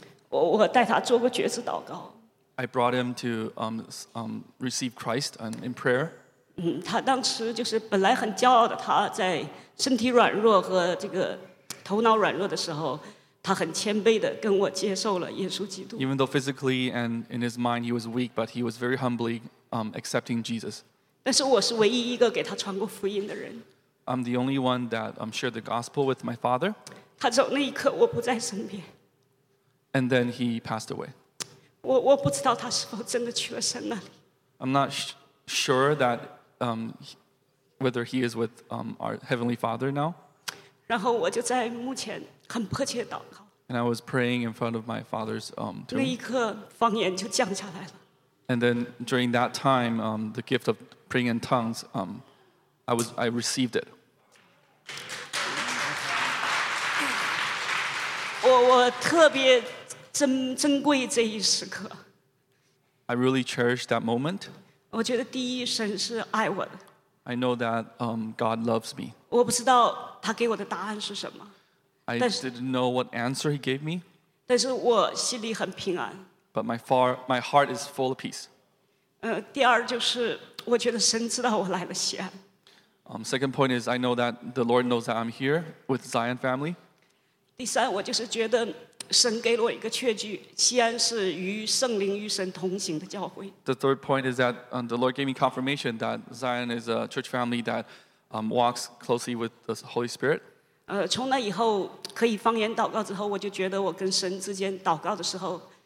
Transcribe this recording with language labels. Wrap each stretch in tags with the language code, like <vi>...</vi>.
<zh>我带他做过决志祷告。</zh> <en>I brought him to receive Christ in prayer.</en> <zh>他当时就是本来很骄傲的，他在身体软弱和这个头脑软弱的时候，他很谦卑的跟我接受了耶稣基督。</zh> <en>Even though physically and in his mind he was weak, but he was very humbly accepting Jesus.</en> <zh>但是我是唯一一个给他传过福音的人。</zh> <en>I'm the only one that shared the gospel with my father.</en> <zh>他走那一刻我不在身边。</zh> <en>And then he passed away.</en> <zh>我不知道他是否真的去了神那里。</zh> <en>I'm not sure that whether he is with our Heavenly Father now. And I was praying in front of my father's tomb. And then during that time, the gift of praying in tongues, I received it.</en> <zh>我特别珍贵这一时刻。</zh> <en>I really cherish that moment. I know that God loves me. I didn't know what answer he gave me. But my heart is full of peace. Second point is I know that the Lord knows that I'm here with Zion family.</en> <zh>神给了我一个确据，西安是与圣灵与神同行的教会。</zh> <en>The third point is that the Lord gave me confirmation that Zion is a church family that walks closely with the Holy Spirit.</en> <zh>从那以后可以方言祷告之后，我就觉得我跟神之间祷告的时候，</zh>